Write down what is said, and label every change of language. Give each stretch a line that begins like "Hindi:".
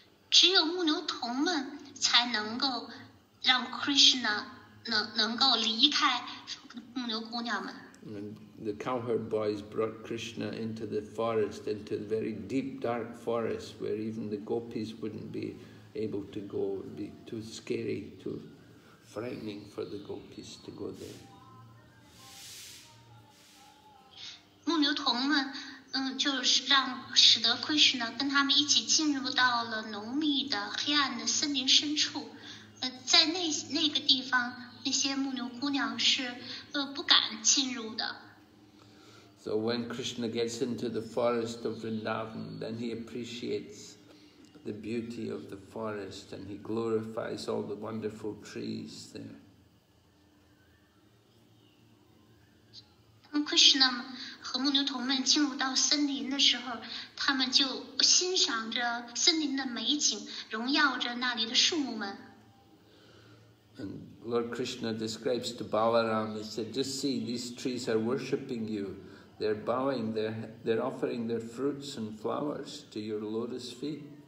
Chinese: 只有牧牛童们才能够让 Krishna 能够离开牧牛姑娘们。
English: The cowherd boys brought Krishna into the forest, into the very deep dark forest where even the gopis wouldn't be able to go. It would be too scary, too frightening for the gopis to go there.
Chinese: 牧牛童们 就是让使得 Krishna 跟他们一起进入到了浓密的黑暗的森林深处，在那个地方，那些牧牛姑娘是不敢进入的。
English: So when Krishna gets into the forest of Vrindavan, then he appreciates the beauty of the forest and he glorifies all the wonderful trees there.
Chinese: 当 Krishna 和牧牛童们进入到森林的时候，他们就欣赏着森林的美景，荣耀着那里的树木们。
English: And Lord Krishna describes to Balaram, he said, just see, these trees are worshipping you. They're bowing, they're offering their fruits and flowers to your lotus feet.